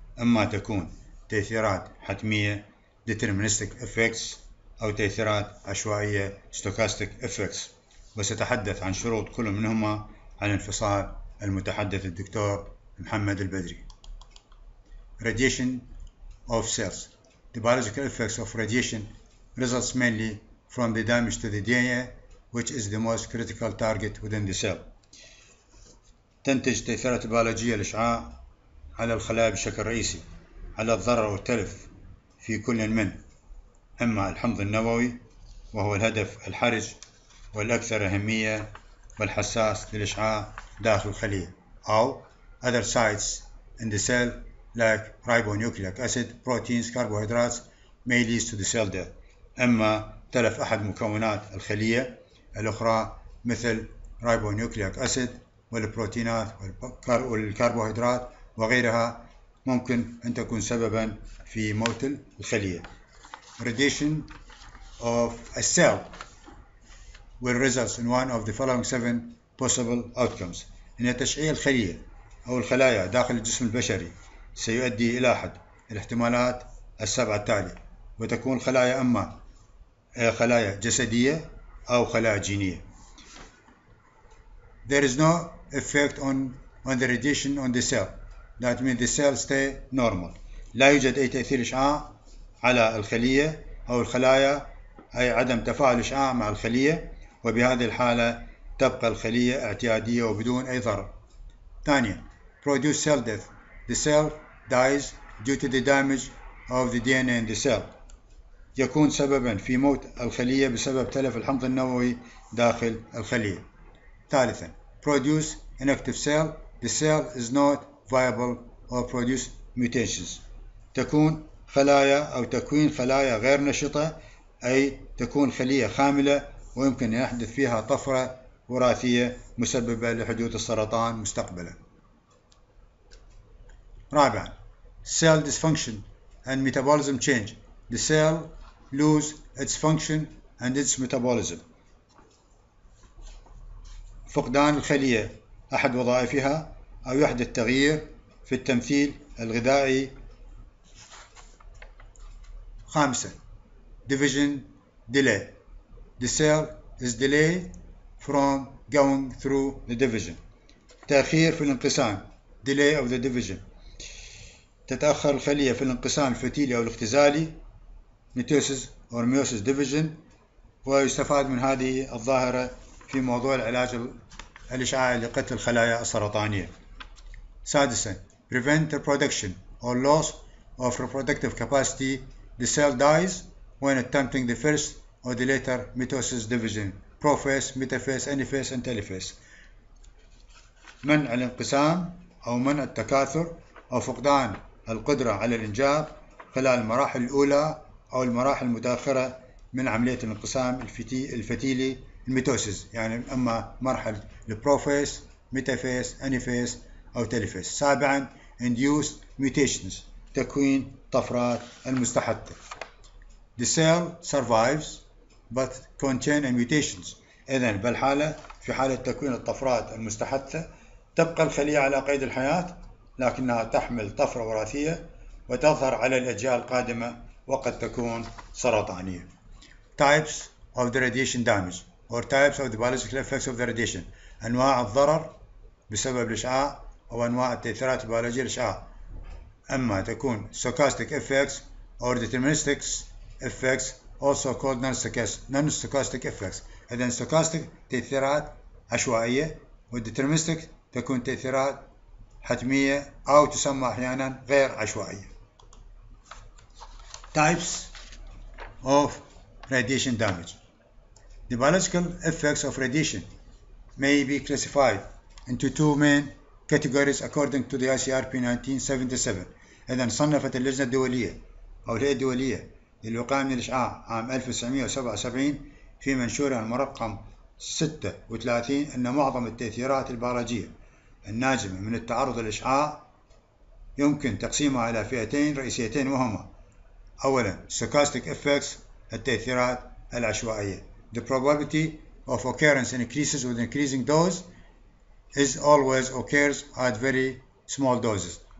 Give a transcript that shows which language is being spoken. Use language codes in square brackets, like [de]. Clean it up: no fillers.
[ar] أما تكون تأثيرات حتمية Deterministic Effects أو تأثيرات عشوائية Stochastic Effects، وستحدث عن شروط كل منهما على انفصال المتحدث الدكتور محمد البدري. [en] Radiation of cells. The biological effects of radiation results mainly from the damage to the DNA which is the most critical target within the cell. [ar] تنتج تأثيرات البيولوجية الإشعاع على الخلايا بشكل رئيسي على الضرر والتلف في كل من إما الحمض النووي وهو الهدف الحرج والأكثر أهمية والحساس للإشعاع داخل الخلية أو [en] other sites in the cell like ribonucleic acid, proteins, carbohydrates may lead to the cell death. [ar] إما تلف أحد مكونات الخلية الأخرى مثل ribonucleic acid والبروتينات والكربوهيدرات وغيرها ممكن أن تكون سبباً في موت الخلية. [en] Radiation of a cell will result in one of the following seven possible outcomes. [ar] إن تشعيع الخلية أو الخلايا داخل الجسم البشري سيؤدي إلى أحد الاحتمالات السبعة التالية، وتكون الخلايا أما خلايا جسدية أو خلايا جينية. [en] There is no effect on the radiation on the cell. That means the cell stay normal. [ar] لا يوجد أي تأثير إشعاع على الخلية أو الخلايا، أي عدم تفاعل إشعاع مع الخلية، وبهذه الحالة تبقى الخلية اعتيادية وبدون أي ضرر. ثانيا [en] produce cell death. The cell dies due to the damage of the DNA in the cell. [ar] يكون سببا في موت الخلية بسبب تلف الحمض النووي داخل الخلية. ثالثا [en] produce inactive cell. The cell is not viable or produce mutations. [ar] تكون خلايا أو تكوين خلايا غير نشطة، أي تكون خلية خاملة ويمكن أن يحدث فيها طفرة وراثية مسببة لحدوث السرطان مستقبلا. رابعا [en] cell dysfunction and metabolism change. The cell lose its function and its metabolism. [ar] فقدان الخلية أحد وظائفها أو يحدث تغيير في التمثيل الغذائي. خامسة [en] division delay. The cell is delayed from going through the division. [ar] تأخير في الانقسام [en] delay of the division. [ar] تتأخر الخلية في الانقسام الفتيلي أو الاختزالي [en] mitosis or meiosis division. [ar] ويستفاد من هذه الظاهرة في موضوع العلاج الإشعاعي لقتل الخلايا السرطانية. سادسا [en] prevent reproduction or loss of reproductive capacity. The cell dies when attempting the first or the later mitosis division, prophase, metaphase, anaphase and telophase. [ar] منع الانقسام أو منع التكاثر أو فقدان القدرة على الإنجاب خلال المراحل الأولى أو المراحل المتأخرة من عملية الانقسام الفتيلي الميتوسيس، يعني أما مرحلة البروفيس ميتافيس أنيفيس أو تيليفيس. سابعا [en] induced mutations [ar] تكوين طفرات المستحدثة. [en] The cell survives but contain mutations. [ar] إذن بالحالة في حالة تكوين الطفرات المستحدثة تبقى الخلية على قيد الحياة لكنها تحمل طفرة وراثية وتظهر على الأجيال القادمة وقد تكون سرطانية. [en] Types of the radiation damage or types of the biological effects of the radiation. [ar] أنواع الضرر بسبب الإشعاع أو أنواع التأثيرات البيولوجية للإشعاع. أما تكون [en] stochastic effects or deterministic effects also called non-stochastic effects. [ar] إذن stochastic تأثيرات عشوائية وdeterministic تكون تأثيرات حتمية أو تسمى أحيانا غير عشوائية. [en] Types of radiation damage. The biological effects of radiation may be classified into two main categories according to the ICRP 1977. [ar] إذا صنفت اللجنة الدولية أو الهيئة الدولية للوقاية من الإشعاع عام 1977 في منشورها المرقم 36 أن معظم التأثيرات البيولوجية الناجمة من التعرض للإشعاع يمكن تقسيمها إلى فئتين رئيسيتين وهما: أولاً stochastic effects، التأثيرات العشوائية، [en] the probability of occurrence increases with increasing dose is always occurs at very small doses.